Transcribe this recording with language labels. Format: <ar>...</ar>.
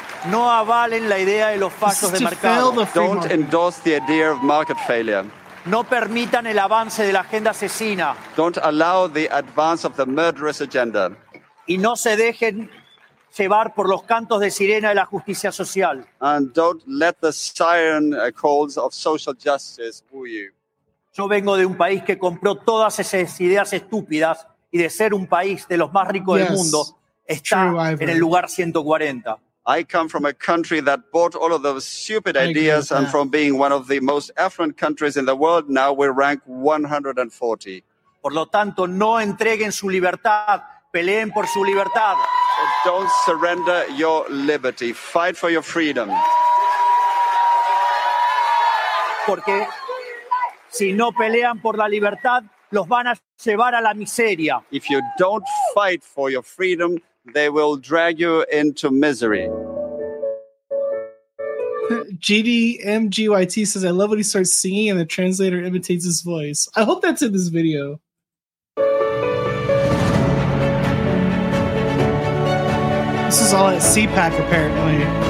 <es>No avalen la idea de los factos de mercado.</es> <en>Don't endorse the idea of market failure.</en> <es>No permitan el avance de la agenda asesina.</es> <en>Don't allow the advance of the murderous agenda.</en> <es>Y no se dejen llevar por los cantos de sirena de la justicia social.</es> <en>And don't let the siren calls of social justice woo you.</en> <es>Yo vengo de un país que compró todas esas ideas estúpidas y de ser un país de los más ricos del mundo está en el lugar 140.</es> <en>I come from a country that bought all of those stupid ideas, and from being one of the most affluent countries in the world, now we rank 140.</en> <es>Por lo tanto, no entreguen su libertad. Peleen por su libertad.</es> <en>Don't surrender your liberty. Fight for your freedom.</en> <es>Porque si no pelean por la libertad, los van a llevar a la miseria.</es> <en>If you don't fight for your freedom, they will drag you into misery. GDMGYT says, I love when he starts singing and the translator imitates his voice. I hope that's in this video. This is all at CPAC, apparently.</en>